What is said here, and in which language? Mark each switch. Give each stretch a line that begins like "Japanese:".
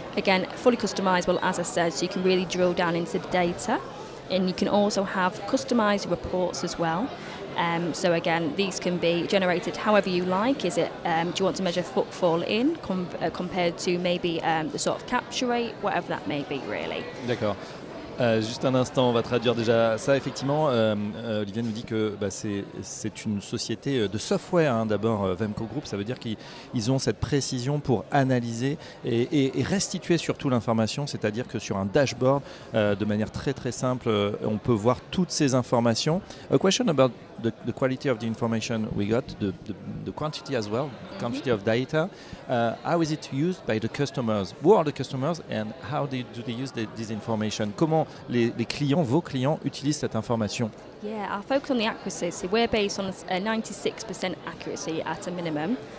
English: Again, fully customizable, as I said, so you can really drill down into the data. And you can also have customized reports as well. So again, these can be generated however you like. Is it, do you want to measure footfall in compared to maybe the sort of capture rate, whatever that may be really.
French: D'accord. Juste un instant, on va traduire déjà ça. Effectivement, Olivia nous dit que c'est une société de software. Hein. D'abord, Vemco Group, ça veut dire qu'ils ont cette précision pour analyser et restituer surtout l'information. C'est-à-dire que sur un dashboard, de manière très très simple, on peut voir toutes ces informations.
English: A question about the quality of the information we got, the quantity as well, mm-hmm. quantity of data. How is it used by the customers? Who are the customers and how do they use this information?
French: Comment les clients, vos clients, utilisent cette information?
English: Yeah, our focus on the accuracy. So we're based on a 96% accuracy at a minimum.